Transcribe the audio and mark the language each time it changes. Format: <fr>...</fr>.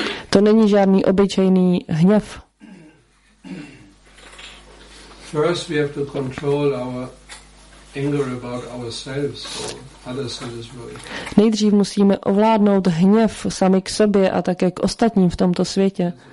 <cs>To není žádný obyčejný hněv.</cs> <en>First we have to control our anger about ourselves or others in this world.</en> <cs>Nejdřív musíme ovládnout hněv sami k sobě a také k ostatním v tomto světě.</cs>